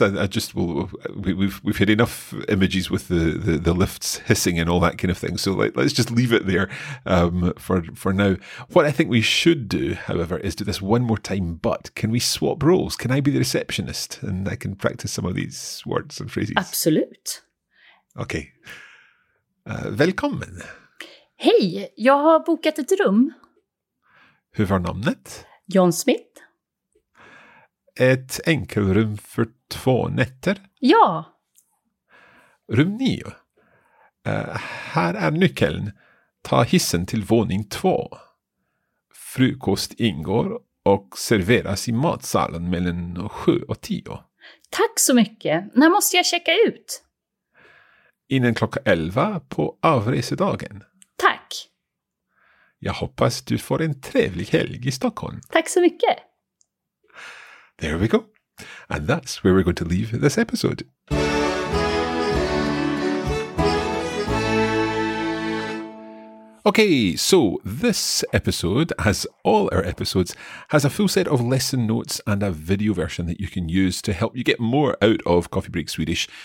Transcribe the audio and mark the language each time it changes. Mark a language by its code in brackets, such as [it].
[en] We've had enough images with the lifts hissing and all that kind of thing. So let's just leave it there for now. What I think we should do, however, is do this one more time. But can we swap roles? Can I be the receptionist and I can practice some of these words and phrases? [sv] Absolut. [en] Okay. [sv] Välkommen. Hej, jag har bokat ett rum. Hur var namnet? John Smith. Ett enkelrum för två nätter? Ja. Rum 9. Här är nyckeln. Ta hissen till våning 2. Frukost ingår och serveras I matsalen mellan 7 och 10. Tack så mycket. När måste jag checka ut? Innan klockan 11 på avresedagen. Tack. Jag hoppas du får en trevlig helg I Stockholm. Tack så mycket. [en] There we go. And that's where we're going to leave this episode. Okay, so this episode, as all our episodes, has a full set of lesson notes and a video version that you can use to help you get more out of Coffee Break Swedish.